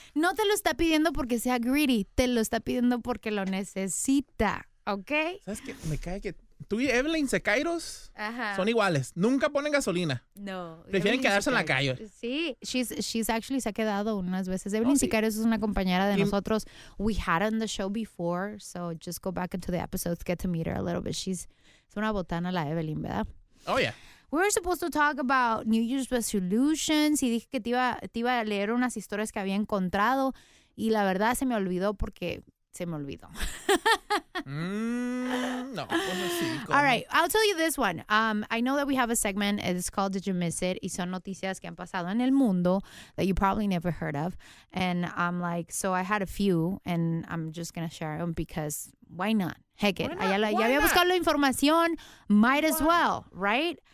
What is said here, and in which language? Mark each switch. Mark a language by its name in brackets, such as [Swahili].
[Spanish] No te lo está pidiendo porque sea greedy. Te lo está pidiendo porque lo necesita. ¿Ok? ¿Sabes qué? Me cae que tú y Evelyn Sekairos, ajá, son iguales. Nunca ponen gasolina. No. Prefieren Evelyn quedarse Sekairos en la calle. Sí. [English] She's actually [Spanish] se ha quedado unas veces. Evelyn Sekairos es una compañera de nosotros. [English] We had on the show before. So just go back into the episodes. Get to meet her a little bit. [Spanish] Es una botana la Evelyn, ¿verdad? [English] Oh, yeah. We were supposed to talk about New Year's resolutions [Spanish] y dije que te iba a leer unas historias que había encontrado y la verdad se me olvidó porque se me olvidó. No, pues [English] no. All right, I'll tell you this one. I know that we have a segment, it's called Did You Miss It? [Spanish] Y son noticias que han pasado en el mundo [English] that you probably never heard of. And I'm like, so I had a few and I'm just going to share them because why not? Heck it. [Spanish] Ya había buscado la información, [English] might as well, right?